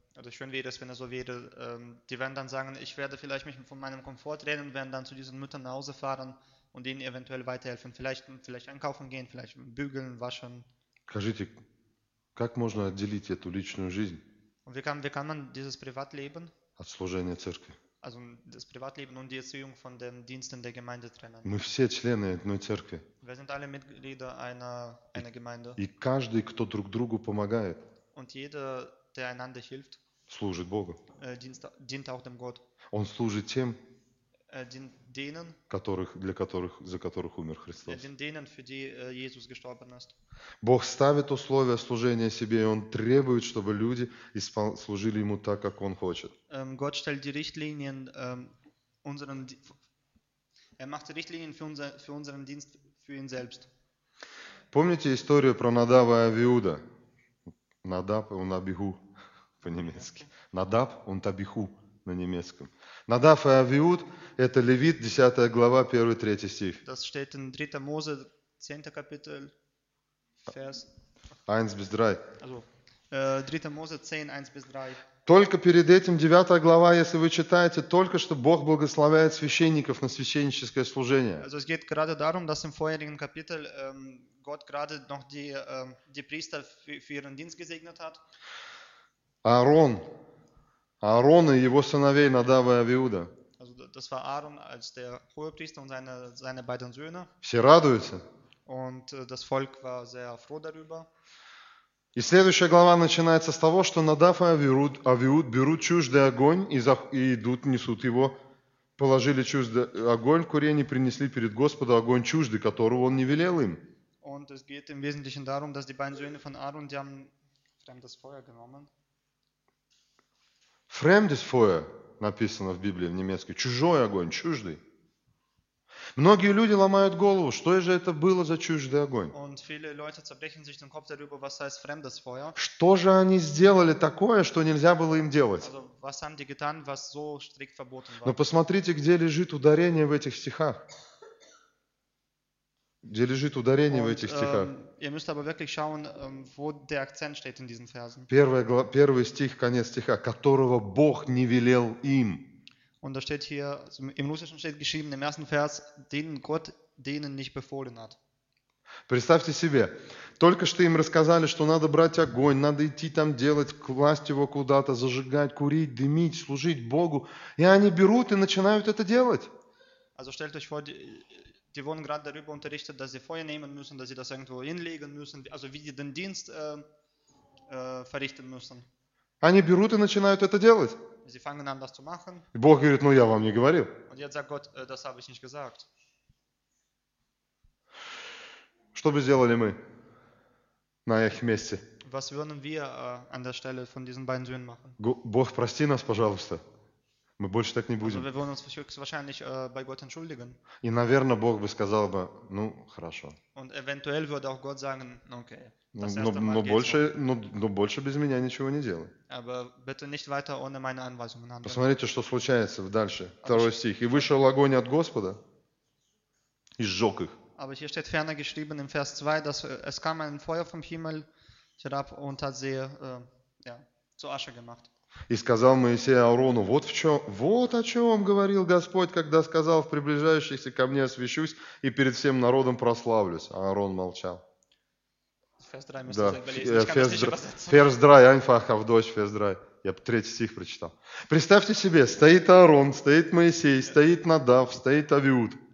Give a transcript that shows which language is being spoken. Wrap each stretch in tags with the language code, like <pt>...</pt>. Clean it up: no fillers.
<de>Oder schön wäre es, wenn es so wäre, die werden dann sagen, ich werde vielleicht mich von meinem Komfort trennen, werden dann zu diesen Müttern nach Hause fahren und ihnen eventuell weiterhelfen, vielleicht einkaufen gehen, vielleicht bügeln, waschen.</de> <ru>Скажите, как можно отделить эту личную жизнь?</ru> <de>Wie kann man dieses Privatleben</de> <ru>от служения церкви?</ru> <de>Also das Privatleben und die Erziehung von den Diensten der Gemeinde trennen.</de> <ru>Мы все члены одной церкви.</ru> <de>Wir sind alle Mitglieder einer Gemeinde.</de> <ru>И каждый, кто друг другу помогает.</ru> <de>Und jeder, der einander hilft,</de> <ru>служит Богу.</ru> <de>Dient auch dem Gott.</de> <ru>Он служит тем,</ru> <de>denen,</de> <ru>за которых умер Христос.</ru> <de>Denen, für die Jesus gestorben ist.</de> <ru>Бог ставит условия служения себе, и Он требует, чтобы люди служили Ему так, как Он хочет.</ru> <de>Gott stellt die Richtlinien unseren, er macht die Richtlinien für unseren Dienst für ihn selbst.</de> <ru>Помните историю про Надава и Авиуда? Надав и Абиху. По-немецки. Надав</ru> <de>und</de> <ru>Абиху на немецком. Надав и Авиуд – это Левит, 10 глава, 1-3 стих.</ru> <de>Das steht in 3. Mose, 10. Kapitel, Vers 1-3. Also, 3. Mose, 10, 1-3.</de> <ru>Только перед этим, 9 глава, если вы читаете, только что Бог благословляет священников на священническое служение.</ru> <de>Also, es geht gerade darum, dass im vorherigen Kapitel Gott gerade noch die Priester für ihren Dienst gesegnet hat.</de> <ru>Аарон и его сыновей Надав и Авиуда.</ru> <de>Also, das war Aaron als der Hohepriester und seine beiden Söhne.</de> <ru>Все радуются.</ru> <de>Und das Volk war sehr froh darüber.</de> <ru>И следующая глава начинается с того, что Надав и Авиуд берут чуждый огонь и идут, несут его. Положили чуждый огонь в курение и принесли перед Господу огонь чуждый, которого он не велел им.</ru> <de>Und es geht im Wesentlichen darum, dass die beiden Söhne von Aaron, die haben fremdes Feuer genommen. Fremdes Feuer</de> <ru>написано в Библии в немецком. Чужой огонь, чуждый. Многие люди ломают голову, что же это было за чуждый огонь?</ru> <de>Und viele Leute zerbrechen sich den Kopf darüber, was heißt fremdes Feuer?</de> <ru>Что же они сделали такое, что нельзя было им делать?</ru> <de>Also, was haben die getan, was so strikt verboten war?</de> <ru>Но посмотрите, где лежит ударение в этих стихах. Где лежит ударение</ru> <de>Und,</de> <ru>в этих стихах?</ru> <de>Ihr müsst aber wirklich schauen, wo der Akzent steht in diesen Versen.</de> <ru>Первый стих, конец стиха, которого Бог не велел им.</ru> <de>Und da steht hier, im Russischen steht geschrieben, im ersten Vers, denen Gott denen nicht befohlen hat.</de> <ru>Представьте себе, только что им рассказали, что надо брать огонь, надо идти там делать, класть его куда-то, зажигать, курить, дымить, служить Богу. И они берут и начинают это делать.</ru> <de>Also stellt euch vor, die wurden gerade darüber unterrichtet, dass sie Feuer nehmen müssen, dass sie das irgendwo hinlegen müssen, also wie sie den Dienst verrichten müssen.</de> <ru>Они берут и начинают это делать.</ru> <de>Sie fangen an, das zu machen.</de> <ru>И Бог говорит, ну я вам не говорил.</ru> <de>Und jetzt sagt Gott, das habe ich nicht gesagt.</de> <ru>Что бы сделали мы на их месте?</ru> <de>Was würden wir an der Stelle von diesen beiden Söhnen machen?</de> <ru>Бог, прости нас, пожалуйста. Мы больше так не будем.</ru> <de>Also, wir würden uns wahrscheinlich bei Gott entschuldigen.</de> <ru>И, наверное, Бог бы сказал бы, ну, хорошо.</ru> <de>Und eventuell würde auch Gott sagen, okay.</de> <ru>Но больше без меня ничего не делай.</ru> <de>Aber bitte nicht weiter ohne meine Anweisungen handeln.</de> <ru>Посмотрите, что случается дальше. Второй стих. И вышел огонь от Господа и сжег их.</ru> <de>Aber hier steht ferner geschrieben im Vers 2, dass es kam ein Feuer vom Himmel herab und hat sie zu Asche gemacht.</de> <ru>И сказал Моисей Аарону, вот о чем говорил Господь, когда сказал, в приближающихся ко мне освящусь и перед всем народом прославлюсь. А Аарон молчал.</ru> <de>Vers 3, einfach auf Deutsch, Vers 3.</de> <ru>Я бы третий стих прочитал. Представьте себе, стоит Аарон, стоит Моисей, стоит Надав, стоит Авиуд.</ru>